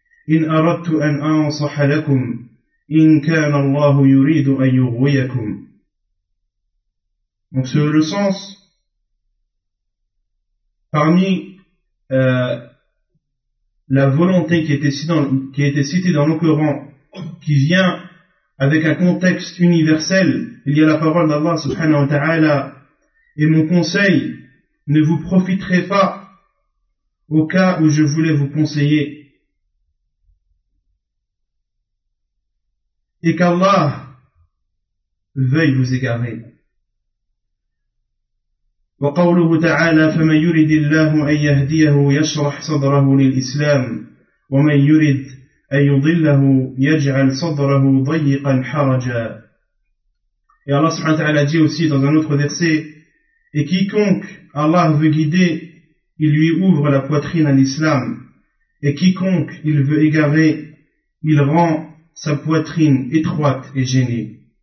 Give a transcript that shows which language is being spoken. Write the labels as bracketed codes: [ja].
[ar] إن أردت أن أنصح لكم إن كان الله يريد أن يغويكم. [fr] Donc c'est le sens parmi la volonté qui était citée dans le Coran, qui vient avec un contexte universel. Il y a la parole d'Allah subhanahu wa ta'ala, et mon conseil ne vous profiterait pas au cas où je voulais vous conseiller, et qu'Allah veuille vous égarer. [ar] وقوله تعالى فمن يرد الله أن يهديه يشرح صدره للإسلام ومن يرد أن يضله يجعل صدره ضيقا حرجا. [fr] Et Allah subhanahu wa ta'ala dit aussi dans un autre verset, et quiconque Allah veut guider, il lui ouvre la poitrine à l'islam, et quiconque il veut égarer, il rend sa poitrine étroite et gênée.